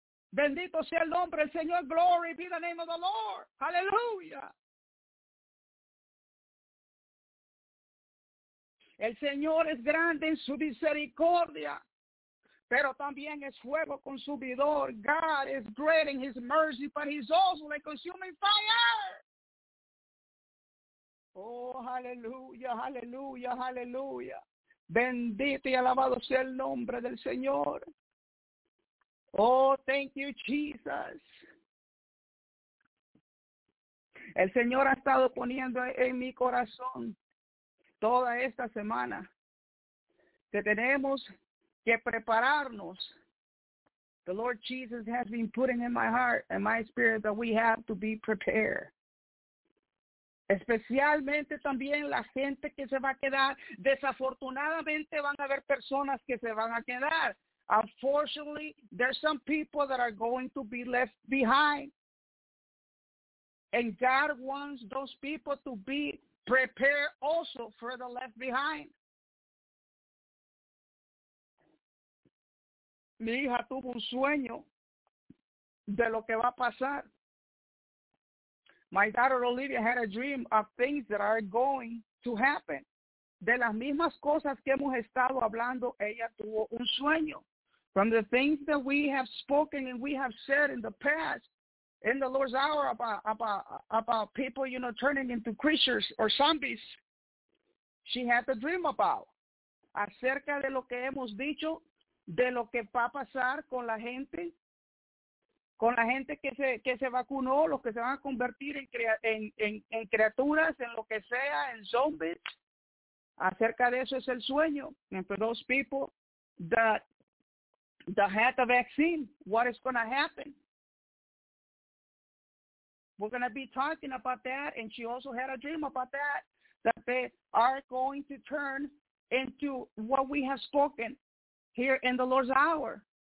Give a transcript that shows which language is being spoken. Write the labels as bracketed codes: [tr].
[es] Bendito sea el nombre del Señor. [en] Glory be the name of the Lord. Hallelujah. [es] El Señor es grande en su misericordia, pero también es fuego consumidor. [en] God is great in his mercy, but he's also a consuming fire. Oh, hallelujah, hallelujah, hallelujah. [es] Bendito y alabado sea el nombre del Señor. [en] Oh, thank you, Jesus. [es] El Señor ha estado poniendo en mi corazón toda esta semana que tenemos que prepararnos. [en] The Lord Jesus has been putting in my heart and my spirit that we have to be prepared. [es] Especialmente también la gente que se va a quedar. Desafortunadamente van a haber personas que se van a quedar. [en] Unfortunately, there's some people that are going to be left behind. And God wants those people to be prepared also for the left behind. [es] Mi hija tuvo un sueño de lo que va a pasar. [en] My daughter Olivia had a dream of things that are going to happen. [es] De las mismas cosas que hemos estado hablando, ella tuvo un sueño. [en] From the things that we have spoken and we have said in the past, in the Lord's hour about people, you know, turning into creatures or zombies, she had a dream about. [es] Acerca de lo que hemos dicho, de lo que va a pasar con la gente que se vacunó, los que se van a convertir en criaturas, en lo que sea, en zombies. Acerca de eso es el sueño. [en] And for those people that had the vaccine, what is going to happen? We're going to be talking about that, and she also had a dream about that, that they are going to turn into what we have spoken here in the Lord's hour.